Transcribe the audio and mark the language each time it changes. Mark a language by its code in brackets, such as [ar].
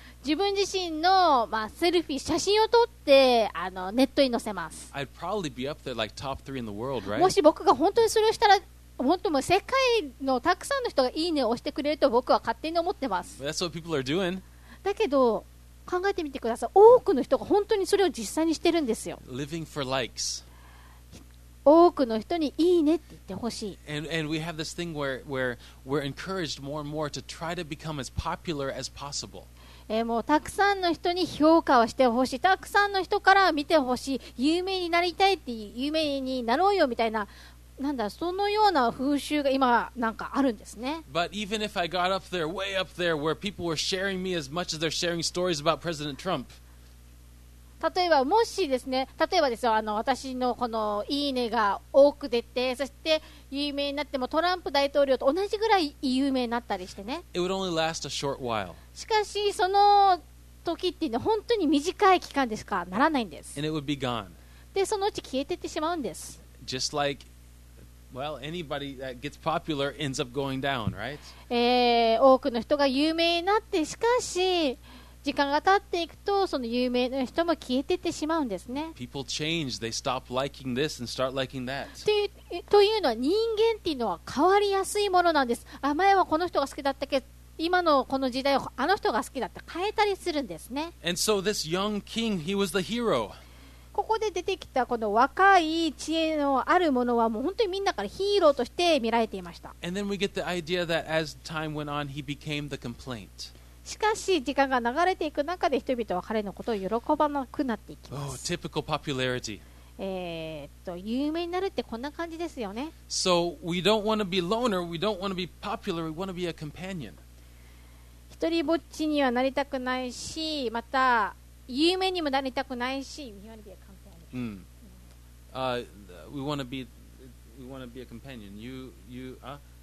[ja] 自分自身の、まあ、セルフィー写真を撮ってあのネットに載せます。 [en] I'd probably be up there like top three in the world, right? [ja] もし僕が本当にそれをしたら、本当もう世界のたくさんの人がいいねを押してくれると僕は勝手に思ってます。 [en] But that's what people are doing. [ja] だけど考えてみてください。多くの人が本当にそれを実際にしてるんですよ。 [en] Living for likes. [ja] 多くの人にいいねって言ってほしい。 [en] And we have this thing where we're encouraged more and more to try to become as popular as possible. [ja] もうたくさんの人に評価をしてほしい、たくさんの人から見てほしい、有名になりたいって有名になろうよみたいな、なんだそのような風習が今なんかあるんですね。 [en] But even if I got up there, way up there, where people were sharing me as much as they're sharing stories about President Trump, [ja] 例えばもしですね、例えばですよ、私のこのいいねが多く出て、そして有名になってもトランプ大統領と同じぐらい有名になったりしてね。 [en] It would only last a short while. [ja] しかしその時っていうのは本当に短い期間でしかならないんです。 [en] And it would be gone. [ja] でそのうち消えていってしまうんです。 [en] Just like, well, anybody that gets popular ends up going down, right? [ja] 多くの人が有名になって、しかし時間が経っていくとその有名な人も消えていってしまうんですね。 [en] People change. They stop liking this and start liking that. [ja] というのは人間っていうのは変わりやすいものなんです。あ、前はこの人が好きだったけど、今のこの時代はあの人が好きだった、変えたりするんですね。 [en] And so this young king, he was the hero. [ja] ここで出てきたこの若い知恵のあるものはもう本当にみんなからヒーローとして見られていました。 [en] And then we get the idea that as time went on, he became the complaint. [ja] しかし時間が流れていく中で人々は彼のことを喜ばなくなっていきます。 [en] Oh, typical popularity. [ja] 有名になるってこんな感じですよね。 [en] So we don't want to be loner, we don't want to be popular, we want to be a companion. [ja] 一人ぼっちにはなりたくないし、また有名にもなりたくないし、 [en] we want to be a companion. We want to be a companion.